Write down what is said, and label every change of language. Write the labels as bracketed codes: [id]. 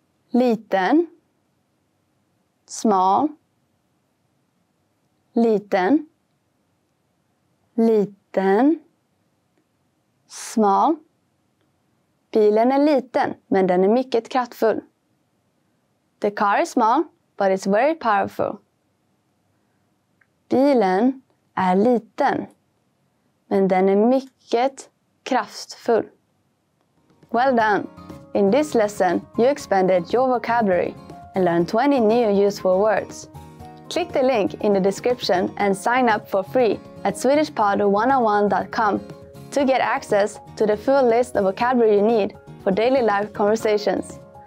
[sv] Liten, smal, liten, liten, smal. Bilen är liten, men den är mycket kraftfull. [en] The car is small, but it's very powerful. [sv] Bilen är liten, men den är mycket kraftfull. [en] Well done! In this lesson, you expanded your vocabulary and learned 20 new useful words. Click the link in the description and sign up for free at SwedishPod101.com to get access to the full list of vocabulary you need for daily life conversations.